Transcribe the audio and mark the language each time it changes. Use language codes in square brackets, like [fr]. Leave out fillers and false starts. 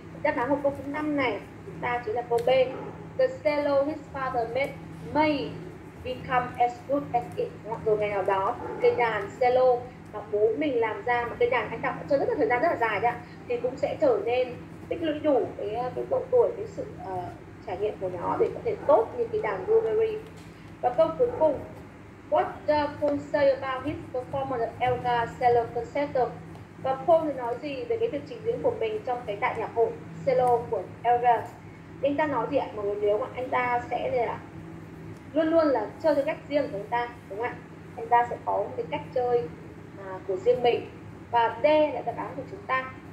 [vi] Đáp án của câu thứ 5 này chúng ta chính là câu B. [en] The cello his father made may become as good as it. [vi] Mặc dù ngày nào đó cây đàn cello mà bố mình làm ra, mà cây đàn anh ta cho rất là thời gian rất là dài đấy ạ, thì cũng sẽ trở nên tích lũy đủ cái độ tuổi, cái sự trải nghiệm của nó để có thể tốt như cái đàn Ruggieri. Và câu cuối cùng, [en] what does Paul say about his performance of Elgar cello concerto? [vi] Và Paul nói gì về cái việc trình diễn của mình trong cái đại nhạc hội cello của Elgar? Anh ta nói gì ạ? Mọi người nhớ không? Anh ta sẽ là luôn luôn là chơi theo cách riêng của chúng ta đúng không ạ? thành ra sẽ có cái cách chơi của riêng mình. Và D là đáp án của chúng ta.